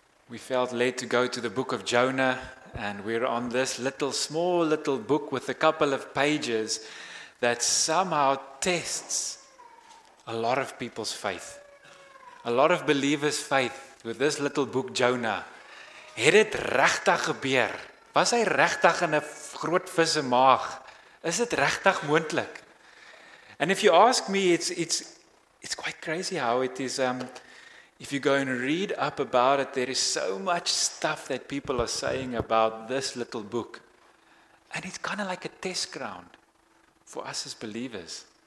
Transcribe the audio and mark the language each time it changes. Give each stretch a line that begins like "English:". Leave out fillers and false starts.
English: We felt led to go to the book of Jonah, and we're on this little, small little book with a couple of pages that somehow tests a lot of people's faith. A lot of believers' faith with this little book, Jonah.
Afrikaans: Het dit regtig gebeur? Was hy regtig in 'n groot vis se maag? Is dit regtig moontlik?
English: And if you ask me, it's quite crazy how it is. If you go and read up about it, there is so much stuff that people are saying about this little book. And it's kind of like a test ground for us as believers.